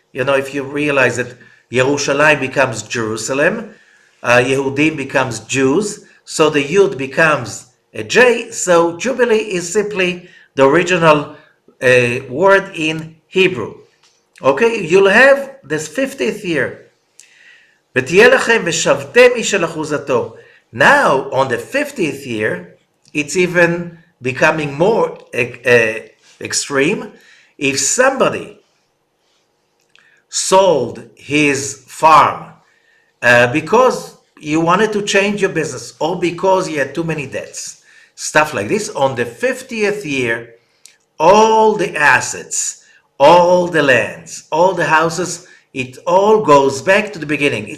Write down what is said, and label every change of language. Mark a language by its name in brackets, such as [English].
[English] You know, if you realize that Yerushalayim becomes Jerusalem, Yehudim becomes Jews, so the Yud becomes a J, so Jubilee is simply the original word in Hebrew. Okay? You'll have this 50th year. [Hebrew] ותהיה לכם ושבתם איש על אחוזתו. [English] Now, on the 50th year, it's even becoming more extreme. If somebody sold his farm because you wanted to change your business or because you had too many debts, stuff like this, on the 50th year, all the assets, all the lands, all the houses, it all goes back to the beginning.